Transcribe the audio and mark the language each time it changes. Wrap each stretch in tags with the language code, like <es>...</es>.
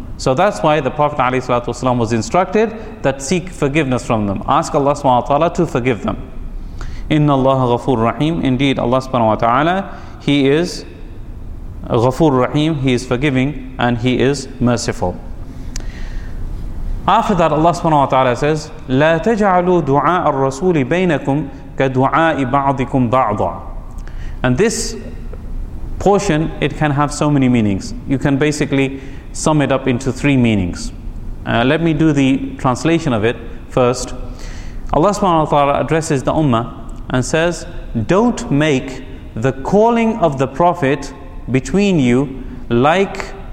<en>So that's why the Prophet ﷺ was instructed that seek forgiveness from them. Ask Allah subhanahu wa ta'ala to forgive them.</en> <ar>Inna Allah ghafoor rahim.</ar> <en>Indeed, Allah subhanahu wa ta'ala, He is ghafoor rahim, He is forgiving and He is merciful. After that, Allah subhanahu wa ta'ala says,</en> <ar>لا تجعلوا دعاء الرسول بينكم كدعاء بعضكم بعضا.</ar> <en>And this portion, it can have so many meanings. You can basically sum it up into three meanings. Let me do the translation of it first. Allah subhanahu wa ta'ala addresses the ummah and says, don't make the calling of the Prophet between you like</en>